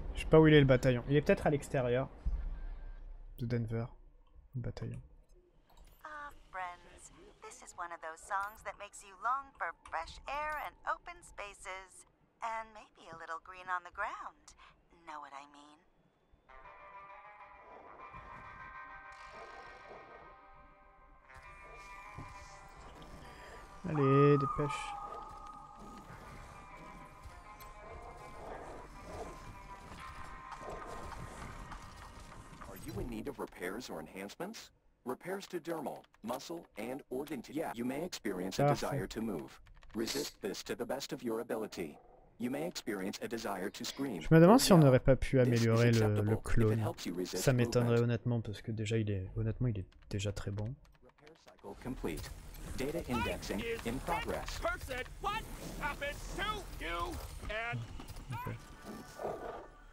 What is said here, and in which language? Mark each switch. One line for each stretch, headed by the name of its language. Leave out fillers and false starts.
French: Pas où il est le bataillon. Il est peut-être à l'extérieur de Denver. Le bataillon.
English: Ah, friends, this is one of those songs that makes you long for fresh air and open spaces, and maybe a little green on the ground. Know what I mean?
French: Allez, dépêche.
English: Repairs or enhancements? Repairs to dermal, muscle, and organ tissue. Yeah, you may experience a desire to move. Resist this to the best of your ability. You may experience a desire to scream.
French: Je me demande si on n'aurait pas pu améliorer le clone. Ça m'étonnerait honnêtement parce que déjà il est honnêtement il est déjà très bon.
English: Repair cycle complete. Data indexing in progress. Person, what happened to you? And